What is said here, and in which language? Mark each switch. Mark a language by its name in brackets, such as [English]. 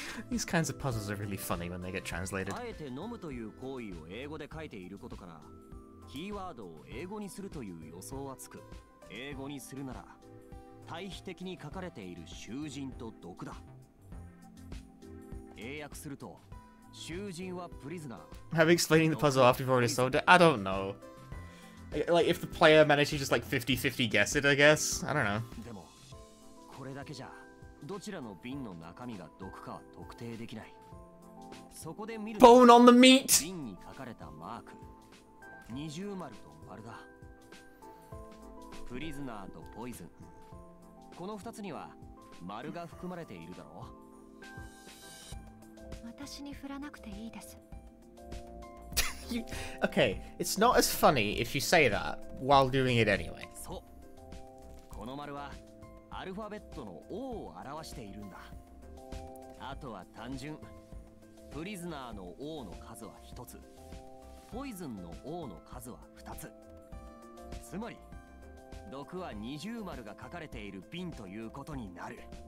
[English] These kinds of puzzles are really funny when they get translated. [Japanese] あえて飲むという行為を英語で書いていることから。キーワードを英語にするという予想はつく。英語にするなら対比的に書かれている囚人と毒だ。英訳すると囚人はプリズナー。 [English] I'm explaining the puzzle after you've already solved it. I don't know. Like if the player managed to just like 50-50 guess it, I guess. I don't know. [Japanese] でもこれだけじゃどちらの瓶の中身が毒かは特定できない。そこで見ると Bone on the meat! 瓶に書かれたマーク二重丸と丸だ。プリズナーとポイズン。この2つには丸が含まれているだろう。私に振らなくていいです。 [English] Okay, it's not as funny if you say that while doing it anyway. [Japanese] そう。この丸はアルファベットの O を表しているんだ。あとは単純。プリズナーの O の数は1つ。ポイズンの O の数は2つ。つまり、毒は二重丸が書かれている瓶ということになる。